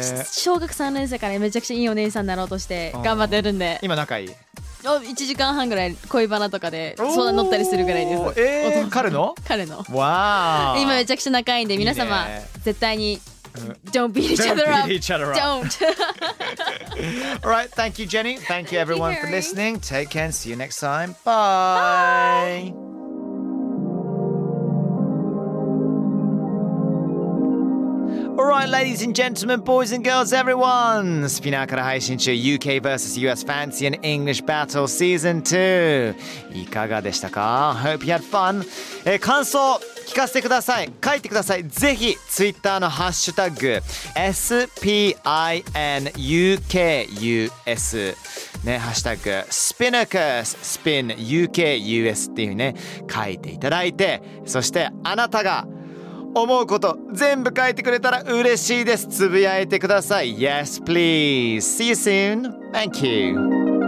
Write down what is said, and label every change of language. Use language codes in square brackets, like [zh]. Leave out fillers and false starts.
[ja] 小学3年生からめちゃくちゃいいお姉さんになろうとして頑張ってるんで、今仲いい、 1時間半ぐらい恋バナとかで相談乗ったりするぐらいです。彼のわー、今めちゃくちゃ仲いいんで、皆様いい、ね、絶対に、うん、 [en] Don't beat each other up. Don't beat each other up. Don't. Alright, thank you, Jenny. Thank you, everyone, thank you, for listening. Take care and see you next time. Bye! Bye. Alright, ladies and gentlemen, boys and girls, everyone! [ja] Spinner から配信中 UK vs. US Fancy and English Battle Season 2! いかがでしたか? [en] Hope you had fun! [ja] 感想聞かせてください。書いてください。ぜひ、Twitter のハッシュタグ SPINUKUS ね、ハッシュタグ SPINUKUS SPINUKUS っていうね、書いていただいて、そして、あなたが思うこと全部書いてくれたら嬉しいです。つぶやいてください。 [en] Yes, please. See you soon. Thank you.